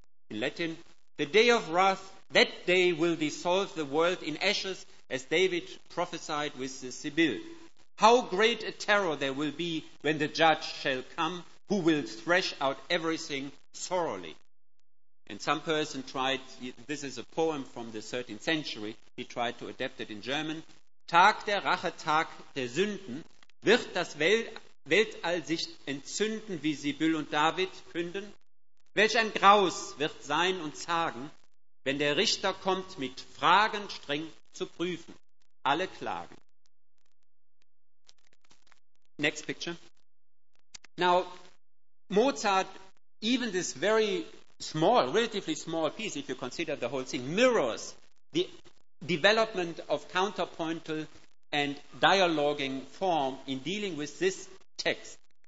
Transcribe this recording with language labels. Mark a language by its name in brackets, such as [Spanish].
[English] In Latin, the day of wrath, that day will dissolve the world in ashes, as David prophesied with the Sibyl. How great a terror there will be when the judge shall come, who will thresh out everything thoroughly. And some person tried, this is a poem from the 13th century, he tried to adapt it in German. [German] Tag der Rache, Tag der Sünden, wird das Weltall sich entzünden, wie Sibyl und David künden? Welch ein Graus wird sein und sagen, wenn der Richter kommt, mit Fragen streng zu prüfen, alle Klagen. [English] Next picture. Now, Mozart, even this very small, relatively small piece, if you consider the whole thing, mirrors the development of counterpointal and dialoguing form in dealing with this text.